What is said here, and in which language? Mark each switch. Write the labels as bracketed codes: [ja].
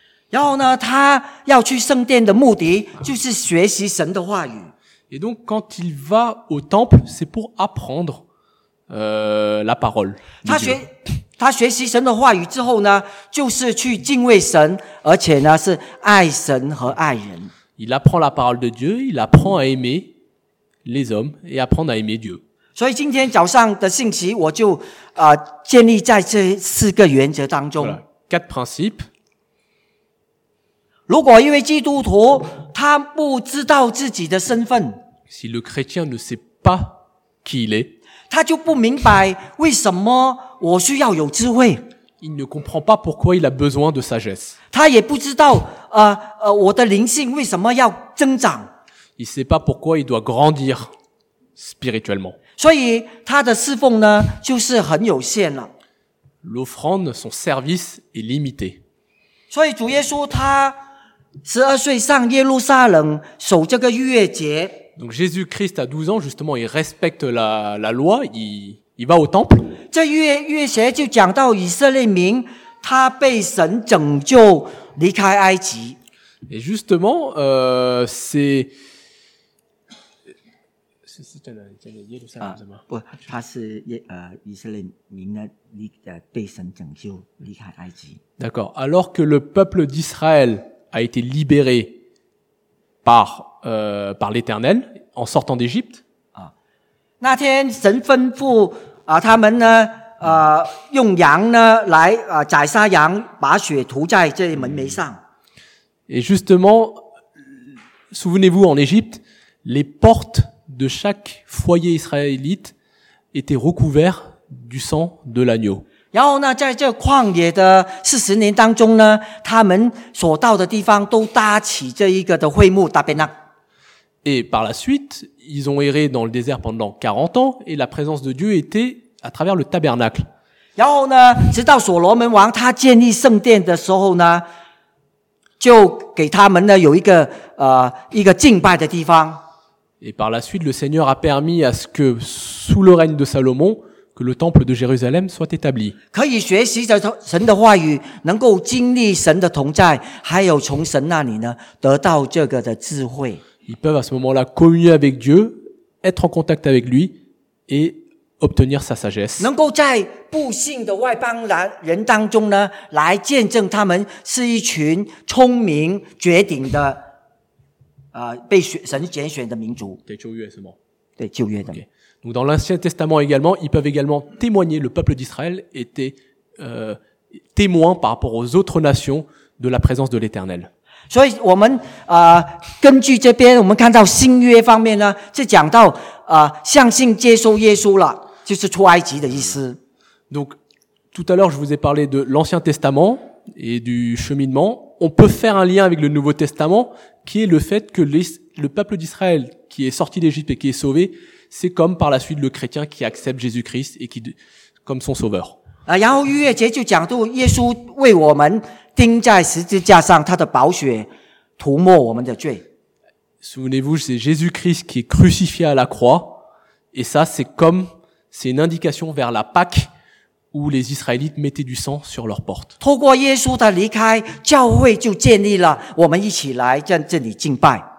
[zh] 然后呢，他要去圣殿的目的就是学习神的话语。 [fr] Et donc, quand il va au temple, c'est pour apprendre, la parole. [zh] 他学习神的话语之后呢，就是去敬畏神，而且呢，是爱神和爱人。 [fr] Il apprend la parole de Dieu, il apprend à aimer les hommes et apprendre à aimer Dieu. [zh] 所以今天早上的信息，我就建立在这四个原则当中。 [fr] Voilà, quatre principes. [zh] 如果一位基督徒他不知道自己的身份 [fr] Si le chrétien ne sait pas qui il est, [zh] 他就不明白为什么我需要有智慧。 [fr] Il ne comprend pas pourquoi il a besoin de sagesse. [zh] 他也不知道我的灵性为什么要增长。 [fr] Il sait pas pourquoi il doit grandir spirituellement. [zh] 所以他的侍奉呢就是很有限了。 [fr] L'offrande, son service est limité. [zh] 所以主耶稣他12岁上耶路撒冷守这个逾越节。 [fr] Donc, Jésus Christ à 12 ans, justement, il respecte la loi, il va au temple. [zh] 这逾越节就讲到以色列民他被神拯救离开埃及。 [fr] Et justement, c'est [zh] 真的这个耶路撒冷是吗不他是以色列民的被神拯救离开埃及。 [fr] D'accord. Alors que le peuple d'Israël a été libéré par l'Éternel en sortant d'Égypte. [zh] 那天神吩咐他们呢用羊呢来宰杀羊把血涂在这门楣上。 [fr] Et justement, souvenez-vous en Égypte, les portes de chaque foyer israélite étaient recouvertes du sang de l'agneau. [zh] 然后呢，在这旷野的40年当中呢，他们所到的地方都搭起这一个的会幕 Tabernacle。 [fr] Et par la suite, ils ont erré dans le désert pendant 40 ans et la présence de Dieu était à travers le tabernacle. [zh] 然后呢，直到所罗门王他建立圣殿的时候呢，就给他们呢有一个敬拜的地方。 [fr] Et par la suite, le Seigneur a permis à ce que sous le règne de Salomon, que le temple de Jérusalem soit établi. [zh] 可以学习着神的话语，能够经历神的同在，还有从神那里呢得到这个的智慧。 [fr] Ils peuvent à ce moment-là communier avec Dieu, être en contact avec lui et obtenir sa sagesse. [zh] 能够在不信的外邦人当中呢，来见证他们是一群聪明绝顶的，被神拣选的民族。对旧约是吗？对旧约的。Okay. [fr] Donc dans l'Ancien Testament également, ils peuvent également témoigner. Le peuple d'Israël était témoin par rapport aux autres nations de la présence de l'Éternel. [zh] 所以我们根据这边我们看到新约方面呢就讲到相信接受耶稣了就是出埃及的意思。 [fr] Donc, tout à l'heure, je vous ai parlé de l'Ancien Testament et du cheminement. On peut faire un lien avec le Nouveau Testament qui est le fait que le peuple d'Israël qui est sorti d'Égypte et qui est sauvé, c'est comme par la suite le chrétien qui accepte Jésus-Christ et qui, comme son sauveur. [zh] 然后逾越节就讲到耶稣为我们钉在十字架上他的宝血涂抹我们的罪。 [fr] Souvenez-vous, c'est Jésus-Christ qui est crucifié à la croix. Et ça, c'est une indication vers la Pâque où les Israélites mettaient du sang sur leurs portes. [zh] 透过耶稣的离开教会就建立了我们一起来在这里敬拜。